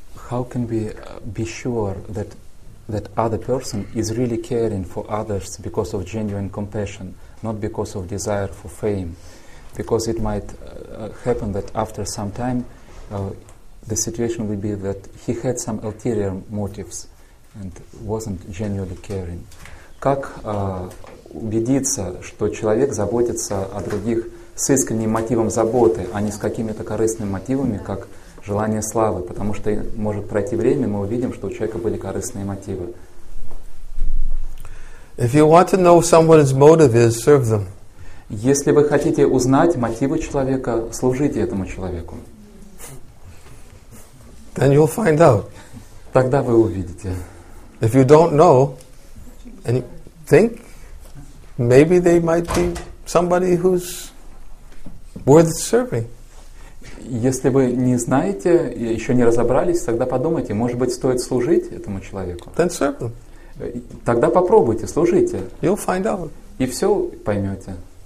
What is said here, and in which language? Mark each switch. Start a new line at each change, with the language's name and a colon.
English: How can we be sure that other person is really caring for others because of genuine compassion, not because of desire for fame? Because it might happen that after some time the situation will be that he had some ulterior motives and wasn't genuinely caring.
Russian: Как убедиться, что человек заботится о других с искренним мотивом заботы, а не с какими-то корыстными мотивами, как желание славы, потому что может пройти время, мы увидим, что у человека были корыстные мотивы.
English: If you want to know someone's motive is, serve them.
Russian: Если вы хотите узнать мотивы человека, служите этому человеку.
English: Then you'll find out.
Russian: Тогда вы увидите.
English: If you don't know, and think, maybe they might be somebody who's worth serving.
Russian: Если вы не знаете, еще не разобрались, тогда подумайте, может быть, стоит служить этому человеку.
English: Then serve them.
Russian: Тогда попробуйте, служите.
English: You'll find out.
Russian: И все поймете.